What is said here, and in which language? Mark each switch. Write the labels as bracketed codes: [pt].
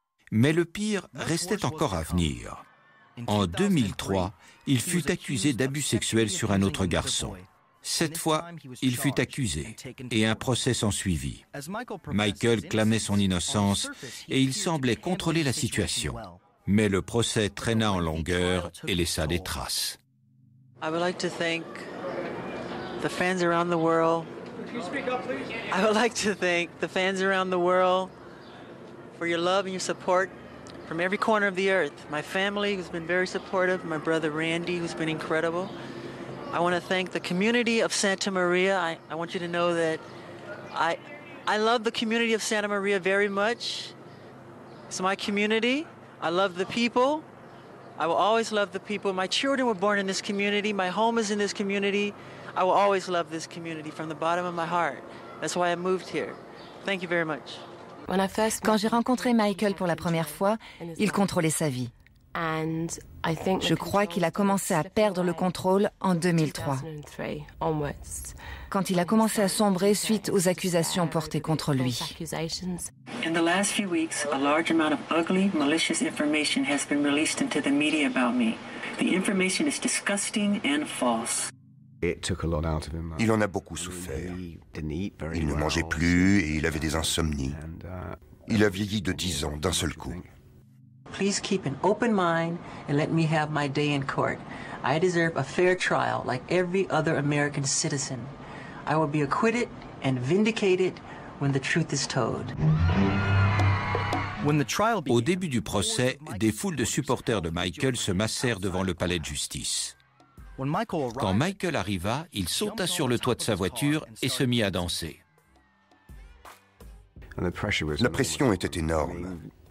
[fr] Mais le pire restait encore à venir. En 2003, il fut accusé d'abus sexuels sur un autre garçon. Cette fois, il fut accusé et un procès s'en suivit. Michael clamait son innocence et il semblait contrôler la situation. Mais le procès traîna en longueur et laissa des traces. [en] I would like to thank the fans around the world. I would like to thank the fans around the world for your love and your support from every corner of the earth. My family has been very supportive, my brother Randy who's been incredible. I want to thank the community of Santa Maria. I want you to know that I love the community of Santa Maria very much. It's my community. I love the people. I will always love the people. My children were born in this community. My home is in this community. I will always love this community from the bottom of my heart. That's why I moved here. Thank you very much. [fr] Quand j'ai rencontré Michael pour la première fois, il contrôlait sa vie. Je crois qu'il a commencé à perdre le contrôle en 2003, quand il a commencé à sombrer suite aux accusations portées contre lui. [en] In the last few weeks, a large amount of ugly, malicious information has been released into the media about me. The information is disgusting and false. [fr] Il en a beaucoup souffert. Il ne mangeait plus et il avait des insomnies. Il a vieilli de 10 ans d'un seul coup. [en] Please keep an open mind and let me have my day in court. I deserve a fair trial like every other American citizen. I will be acquitted and vindicated when the truth is told. [fr] Au début du procès, des foules de supporters de Michael se massèrent devant le palais de justice. Quand Michael arriva, il sauta sur le toit de sa voiture et se mit à danser. La pression était énorme.